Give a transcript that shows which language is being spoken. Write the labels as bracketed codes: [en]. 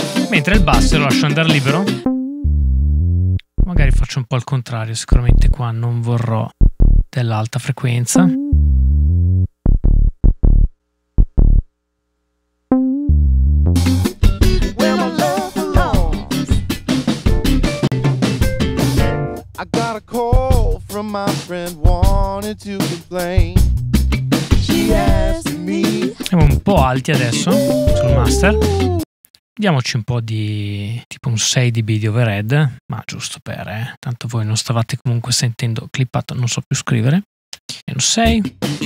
[it] Mentre il basso lo lascio andare libero. Magari faccio un po' al contrario, sicuramente qua non vorrò dell'alta frequenza. [en] I got a call from my friend wanting to complain. She asked me. [it] Siamo un po' alti adesso sul master. Diamoci un po' di tipo un 6 dB di overhead, ma giusto per, tanto voi non stavate comunque sentendo clippato, non so più scrivere. E un 6.